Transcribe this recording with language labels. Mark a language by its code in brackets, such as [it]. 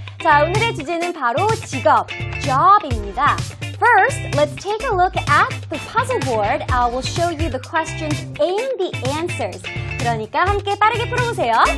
[ko] 자, 오늘의 주제는 바로 직업, job입니다. [en] First, let's take a look at the puzzle board. I will show you the questions and the answers. [ko] 그러니까 함께 빠르게 풀어보세요.